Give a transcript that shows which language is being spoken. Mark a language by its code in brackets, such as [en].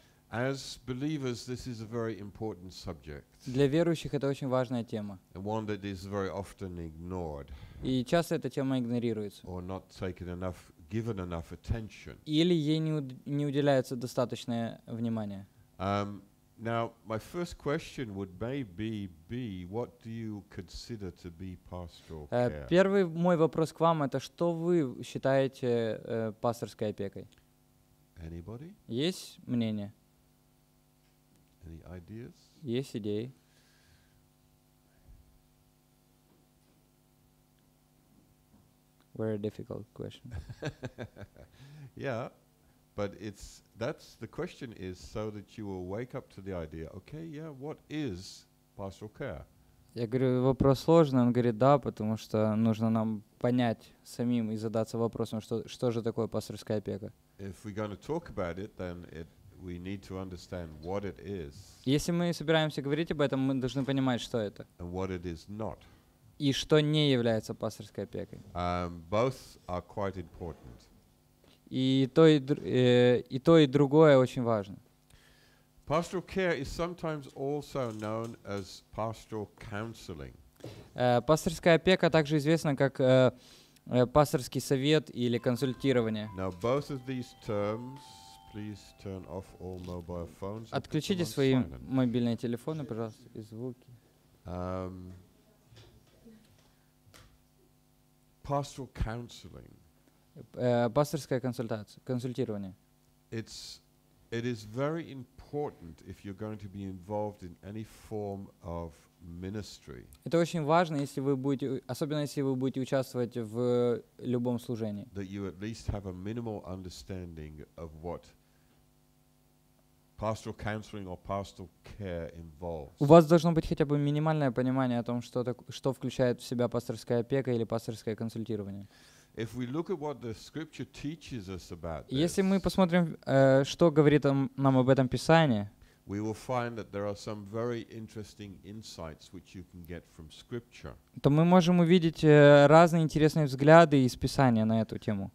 [en] As believers, this is a very important subject. [ru] Для верующих это очень важная тема. [en] One that is very often ignored. [ru] И часто эта тема игнорируется. [en] Or not taken enough, given enough attention. [ru] Или ей не уделяется достаточное внимание. [en] Now, my first question would maybe be, what do you consider to be pastoral care? [ru] Первый мой вопрос к вам это, что вы считаете пасторской опекой? [en] Anybody? [ru] Есть мнение? [en] Any ideas? [ru] Есть идеи? [en] Very difficult question. Yeah. But it's that's the question is so that you will wake up to the idea, okay, yeah, what is pastoral care? [ru] Я говорю, вопрос сложный. Он говорит, да, потому что нужно нам понять самим и задаться вопросом, что же такое пасторская опека. [en] If we're going to talk about it, then it we need to understand what it is. [ru] Если мы собираемся говорить об этом, мы должны понимать, что это. [en] And what it is not. [ru] И что не является пасторской опекой. [en] Both are quite important. [ru] И то, и другое очень важно. [en] Pastoral care is sometimes also known as pastoral counseling. [ru] Пасторская опека также известна как пасторский совет или консультирование. [en] Now both of these terms, please turn off all mobile phones. [ru] Отключите свои мобильные телефоны, пожалуйста, и звуки. [en] Pastoral counseling. [ru] Пасторская консультирование. [en] It is very important if you're going to be involved in any form of ministry. [ru] Это очень важно, если вы будете, особенно если вы будете участвовать в любом служении. [en] That you at least have a minimal understanding of what pastoral counseling or pastoral care involves. [ru] У вас должно быть хотя бы минимальное понимание о том, что включает в себя пасторская опека или пасторское консультирование. [en] If we look at what the scripture teaches us about this, [ru] если мы посмотрим, что говорит нам об этом Писание, [en] we will find that there are some very interesting insights which you can get from scripture. [ru] То мы можем увидеть разные интересные взгляды из Писания на эту тему.